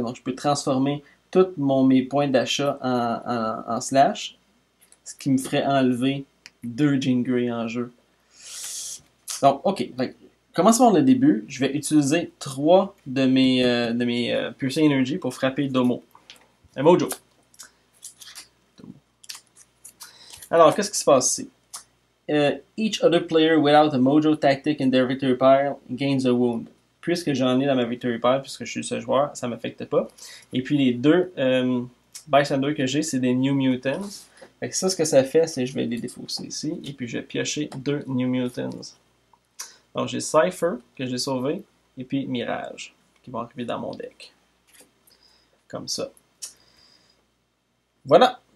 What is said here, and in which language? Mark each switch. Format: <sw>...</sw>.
<fr>Donc, je peux transformer tous mes points d'achat en slash, ce qui me ferait enlever deux Jean Grey en jeu. Donc, OK. Fait. Commençons par le début. Je vais utiliser 3 de mes Piercing Energy pour frapper Domo. Un mojo. Alors, qu'est-ce qui se passe ici?</fr> <en>Each other player without a mojo tactic in their victory pile gains a wound.</en> <fr>Puisque j'en ai dans ma victory pile, puisque je suis ce joueur, ça ne m'affecte pas. Et puis les deux bystanders que j'ai, c'est des New Mutants. Fait que ça, ce que ça fait, c'est que je vais les défausser ici. Et puis je vais piocher 2 New Mutants. Donc, j'ai Cypher, que j'ai sauvé, et puis Mirage, qui va arriver dans mon deck. Comme ça. Voilà!</fr>